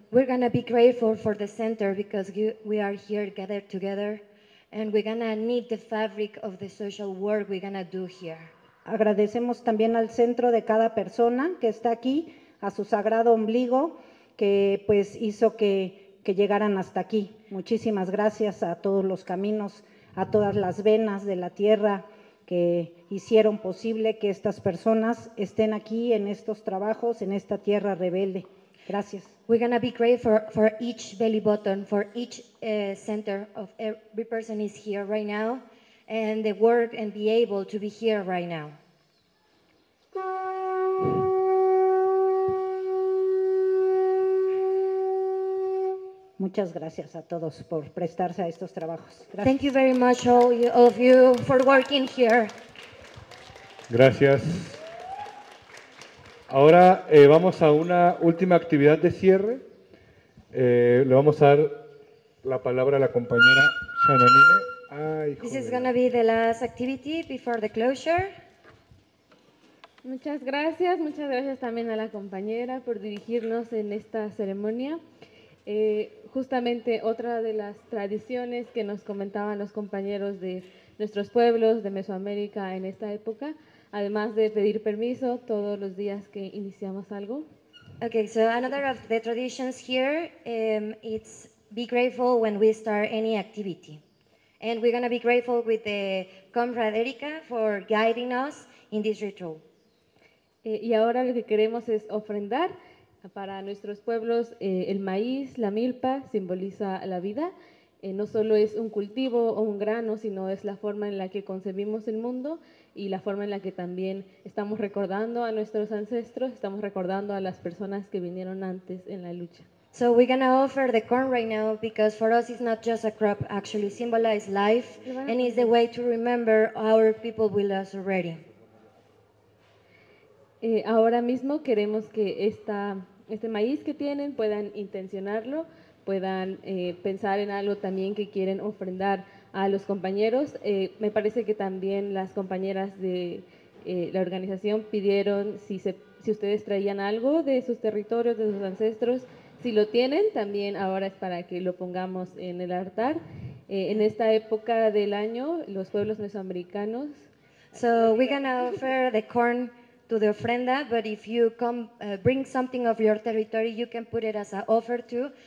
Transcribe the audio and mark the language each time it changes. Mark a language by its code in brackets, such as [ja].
[en] We're gonna be grateful for the center because we are here gathered together, and we're gonna need the fabric of the social work we're gonna do here. [es] Agradecemos también al centro de cada persona que está aquí, a su sagrado ombligo que pues hizo que llegaran hasta aquí. Muchísimas gracias a todos los caminos, a todas las venas de la tierra que hicieron posible que estas personas estén aquí en estos trabajos, en esta tierra rebelde. Gracias. [en] We're gonna be grateful for each belly button, for each center of every person is here right now, and the work and be able to be here right now. [es] Muchas gracias a todos por prestarse a estos trabajos. Gracias. [en] Thank you very much all of you for working here. [es] Gracias. Ahora vamos a una última actividad de cierre. Le vamos a dar la palabra a la compañera Shanonine. Ay, [en] this is gonna be the last activity before the closure. [es] Muchas gracias también a la compañera por dirigirnos en esta ceremonia. Justamente otra de las tradiciones que nos comentaban los compañeros de nuestros pueblos de Mesoamérica en esta época, además de pedir permiso todos los días que iniciamos algo. [en] Okay, so another of the traditions here, it's be grateful when we start any activity. And we're going to be grateful with the comrade Erika for guiding us in this ritual. [es] Y ahora lo que queremos es ofrendar. Para nuestros pueblos, el maíz, la milpa, simboliza la vida. No solo es un cultivo o un grano, sino es la forma en la que concebimos el mundo y la forma en la que también estamos recordando a nuestros ancestros, estamos recordando a las personas que vinieron antes en la lucha. [en] So we're gonna offer the corn right now because for us it's not just a crop, actually symbolizes life and is the way to remember our people with us already. [es] Ahora mismo queremos que este maíz que tienen puedan intencionarlo, puedan pensar en algo también que quieren ofrendar a los compañeros. Me parece que también las compañeras de la organización pidieron si ustedes traían algo de sus territorios, de sus ancestros. Si lo tienen, también ahora es para que lo pongamos en el altar. En esta época del año, los pueblos mesoamericanos. [en] So we're gonna offer the corn to the ofrenda, but if you come bring something of your territory, you can put it as an offer too.